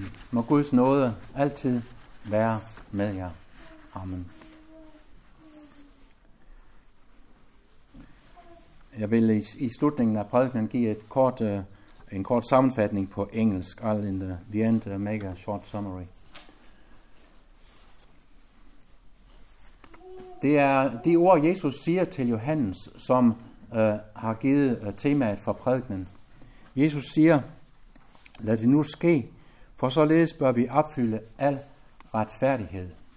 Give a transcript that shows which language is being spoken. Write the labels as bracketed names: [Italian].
[Danish] Må Guds nåde altid være med jer. Amen. Jeg vil i slutningen af prædikenen give et kort, en kort sammenfatning på engelsk. [English] I'll in the end make a short summary. [Danish] Det er de ord, Jesus siger til Johannes, som har givet temaet for prædikenen. Jesus siger, lad det nu ske, for således bør vi opfylde al retfærdighed.